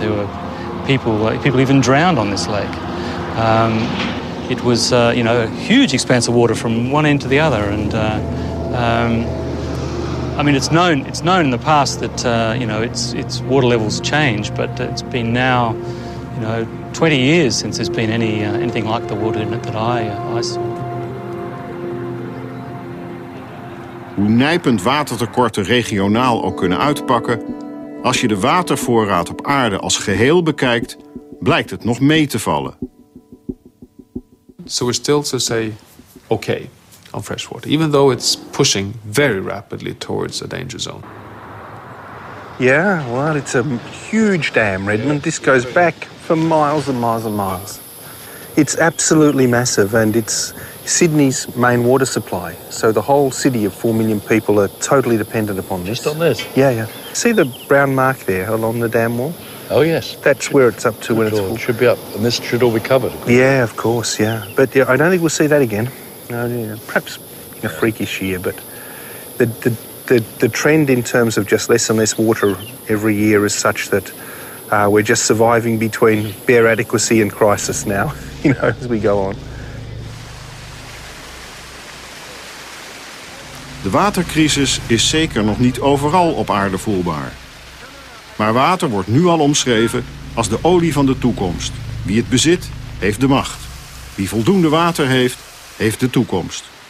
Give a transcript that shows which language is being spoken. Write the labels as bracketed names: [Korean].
[English] There were people even drowned on this lake. It was, you know, a huge expanse of water from one end to the other. And I mean, it's known in the past that you know, its water levels change, but it's been now, you know, 20 years since there's been anything like the water in it that I saw. [Dutch] Hoe nijpend watertekorten regionaal ook kunnen uitpakken, als je de watervoorraad op aarde als geheel bekijkt, blijkt het nog mee te vallen. [English] So we're still to say okay on fresh water, even though it's pushing very rapidly towards a danger zone. Yeah, well, it's a huge dam, Redmond. This goes back for miles and miles and miles. It's absolutely massive, and it's Sydney's main water supply. So the whole city of 4 million people are totally dependent upon this. Just on this? Yeah, yeah. See the brown mark there along the dam wall? Oh, yes. That's where it's up to when it's full. It should be up, and this should all be covered. Yeah, of course, yeah. But yeah, I don't think we'll see that again. Perhaps in a freakish year, but the trend in terms of just less and less water every year is such that we're just surviving between bare adequacy and crisis now, you know, as we go on. [Dutch] De watercrisis is zeker nog niet overal op aarde voelbaar. Maar water wordt nu al omschreven als de olie van de toekomst. Wie het bezit, heeft de macht. Wie voldoende water heeft, heeft de toekomst.